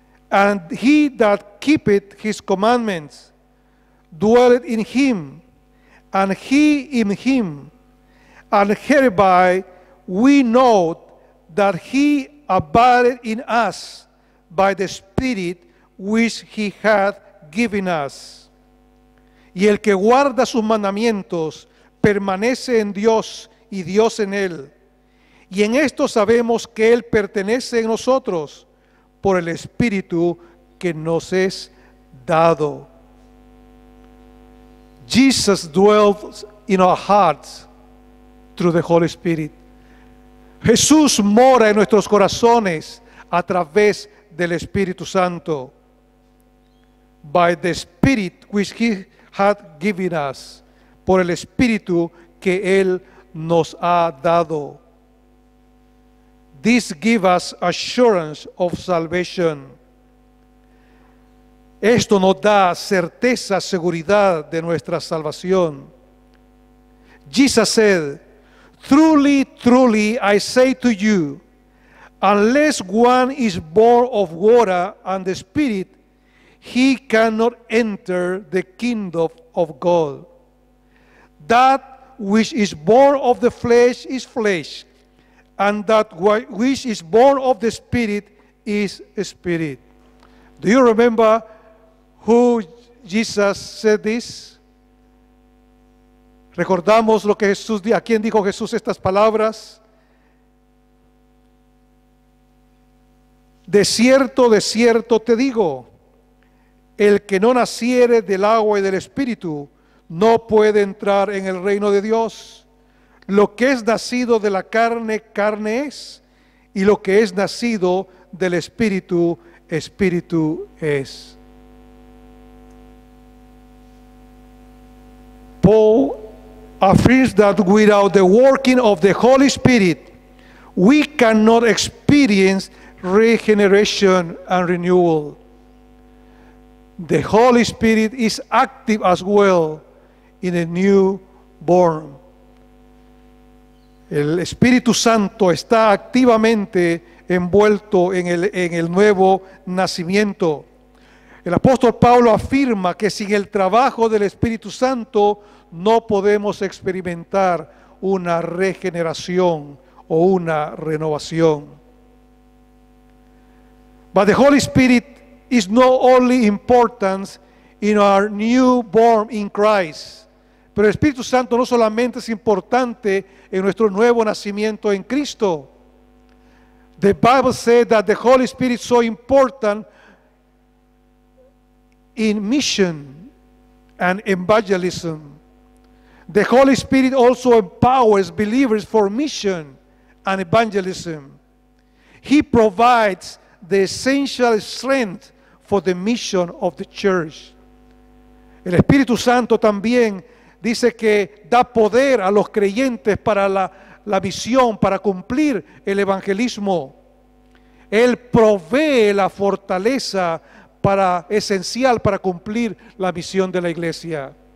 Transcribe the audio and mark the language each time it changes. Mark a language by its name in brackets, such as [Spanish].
[English] And he that keepeth his commandments dwelleth in him, and he in him. And hereby we know that he abideth in us by the Spirit which he hath given us. [Spanish] Y el que guarda sus mandamientos permanece en Dios y Dios en él. Y en esto sabemos que Él pertenece en nosotros por el Espíritu que nos es dado. [English] Jesus dwells in our hearts through the Holy Spirit. [Spanish] Jesús mora en nuestros corazones a través del Espíritu Santo. [English] By the Spirit which He hath given us. [Spanish] Por el Espíritu que Él nos ha dado. [English] This gives us assurance of salvation. [Spanish] Esto nos da certeza, seguridad de nuestra salvación. [English] Jesus said, truly, truly, I say to you, unless one is born of water and the Spirit, he cannot enter the kingdom of God. That which is born of the flesh is flesh, and that which is born of the Spirit is spirit. Do you remember who Jesus said this? [Spanish] Recordamos lo que Jesús, a quien dijo Jesús estas palabras. De cierto te digo, el que no naciere del agua y del Espíritu no puede entrar en el reino de Dios. Lo que es nacido de la carne, carne es, y lo que es nacido del Espíritu, Espíritu es. [English] Paul affirms that without the working of the Holy Spirit, we cannot experience regeneration and renewal. The Holy Spirit is active as well in a new born. [Spanish] El Espíritu Santo está activamente envuelto en el nuevo nacimiento. El apóstol Pablo afirma que sin el trabajo del Espíritu Santo no podemos experimentar una regeneración o una renovación. [English] But the Holy Spirit is not only important in our new born in Christ. [Spanish] Pero el Espíritu Santo no solamente es importante en nuestro nuevo nacimiento en Cristo. [English] The Bible says that the Holy Spirit is so important in mission and evangelism. The Holy Spirit also empowers believers for mission and evangelism. He provides the essential strength for the mission of the church. [Spanish] El Espíritu Santo también dice que da poder a los creyentes para la misión, para cumplir el evangelismo. Él provee la fortaleza para esencial para cumplir la misión de la iglesia.